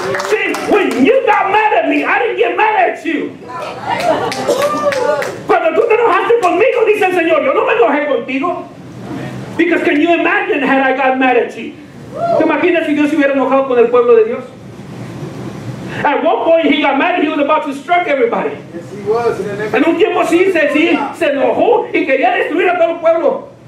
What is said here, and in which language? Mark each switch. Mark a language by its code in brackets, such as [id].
[en] See, when you got mad at me, I didn't get mad at you. [es] Cuando tú te enojaste conmigo, dice el Señor, yo no me enojé contigo. [en] Because can you imagine had I got mad at you? [es] ¿Te imaginas si Dios se hubiera enojado con el pueblo de Dios? [en] At one point he got mad and he was about to strike everybody. Yes, he was. [es] En un tiempo sí, se enojó y quería destruir a todo el pueblo.